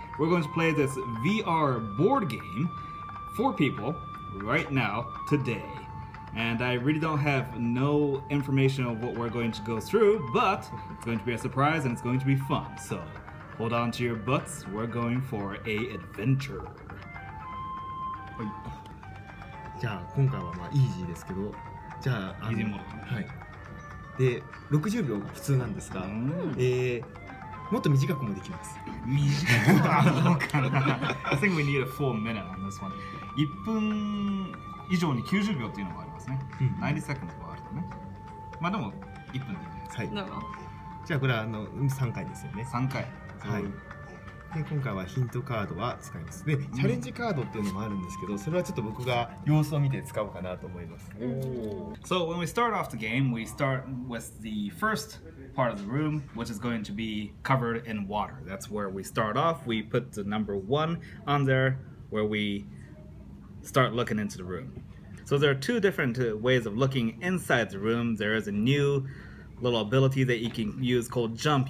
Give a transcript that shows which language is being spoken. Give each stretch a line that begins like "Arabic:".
English: We're going to play this VR board game for people right now, today. And I really don't have no information of what we're going to go through, but it's going to be a surprise and it's going to be fun. So hold on to your butts, we're going for a adventure.
Japanese: じゃあ今回はまあイージーですけど、じゃあイージーモード、はい、で60秒が普通なんですが、うん、もっと短くもできます。短くもどうかな。
English: I think we need a 4 minute on this one.
Japanese: 1分以上に90秒っていうのもありますね、うん、
English: 90 seconds
Japanese: もあるとね。まあでも1分でいいんじゃないですか。はい、なるほど。じゃあこれはあの3回ですよね。 3回、はい。で今回はヒントカードは使います。でチャレンジカードっていうのもあるんですけど、それはちょっと僕が様子を見て使おうかなと思います。
English: So when we start off the game, we start with the first part of the room, which is going to be covered in water. That's where we start off. We put the number one on there, where we start looking into the room. So there are two different ways of looking inside the room. There is a newlittle ability that you can use called jump.